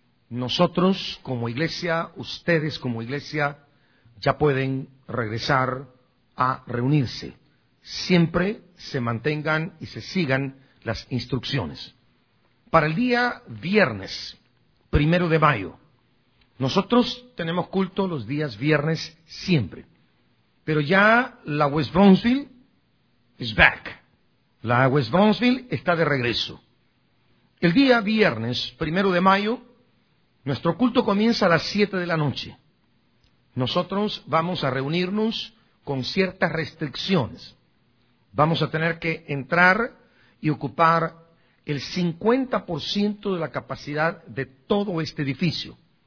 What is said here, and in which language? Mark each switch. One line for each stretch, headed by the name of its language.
Spanish: Nosotros como iglesia, ustedes como iglesia, ya pueden regresar a reunirse. Siempre se mantengan y se sigan las instrucciones. Para el día viernes, 1 de mayo, nosotros tenemos culto los días viernes siempre. Pero ya la West Brownsville
English: is back.
Spanish: La West Brownsville está de regreso. El día viernes, 1 de mayo, nuestro culto comienza a las 7 de la noche. Nosotros vamos a reunirnos con ciertas restricciones. Vamos a tener que entrar y ocupar el 50% de la capacidad de todo este edificio.